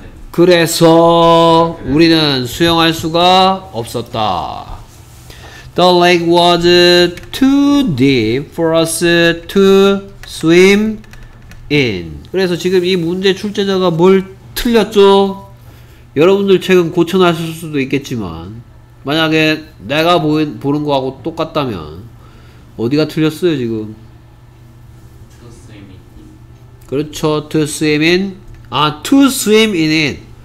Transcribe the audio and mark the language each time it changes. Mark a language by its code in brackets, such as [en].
[ko] 그래서 우리는 수영할 수가 없었다. [en] The lake was too deep for us to swim in. [ko] 그래서 지금 이 문제 출제자가 뭘 틀렸죠? 여러분들 책은 고쳐놨을 수도 있겠지만 만약에 내가 보는 거하고 똑같다면 어디가 틀렸어요 지금? [en] To swim in. [ko] 그렇죠. [en] To swim in. 아, to swim in it.